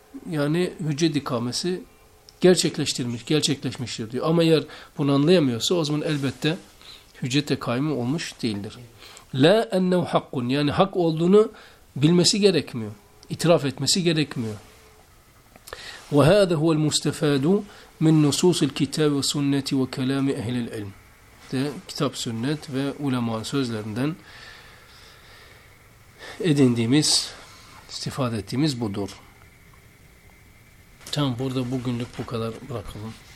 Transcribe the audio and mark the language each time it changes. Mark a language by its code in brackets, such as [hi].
[tr] Yani hüccet ikamesi gerçekleşmiştir diyor. Ama eğer bunu anlayamıyorsa o zaman elbette hüccete kaymı olmuş değildir. [ar] La ennehu hakkun. [tr] Yani hak olduğunu bilmesi gerekmiyor. İtiraf etmesi gerekmiyor. [ar] وهذا هو المستفاد من نصوص الكتاب والسنة وكلام أهل العلم. ده كتاب سنة وعلماء [tr] sözlerinden edindiğimiz, istifade ettiğimiz budur. Tamam, burada bugünlük bu kadar, bırakalım.